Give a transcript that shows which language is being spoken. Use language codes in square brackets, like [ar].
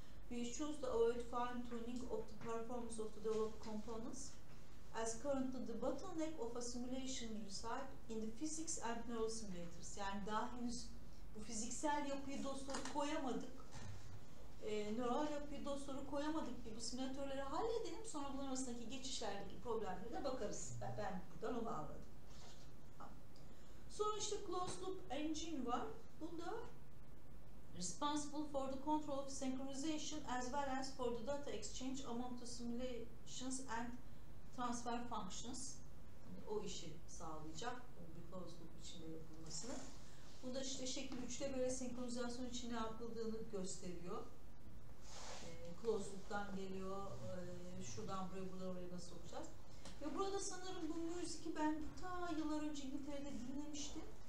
[en] We choose to avoid fine tuning of the performance of the developed components as currently the bottleneck of a simulation reside in the physics and neural simulators. [tr] Yani daha henüz bu fiziksel yapıyı dostları koyamadık. Neural yapıyı dostları koyamadık diye bu simülatörleri halledelim. Sonra bunun arasındaki geçişlerdeki problemlere de bakarız. Ben buradan onu bağladım. Sonra işte closed loop engine var. Bu da [en] responsible for the control of synchronization as well as for the data exchange among the simulations and transfer functions. [tr] Yani o işi sağlayacak. Bir closed loop içinde yapılmasını. Bu da işte şekil 3'te böyle senkronizasyon için ne yapıldığını gösteriyor. Closed loop'tan geliyor. Şuradan buraya, buradan oraya nasıl olacağız. Ve burada sanırım bu müziği ben ta yıllar önce İngiltere'de dinlemiştim.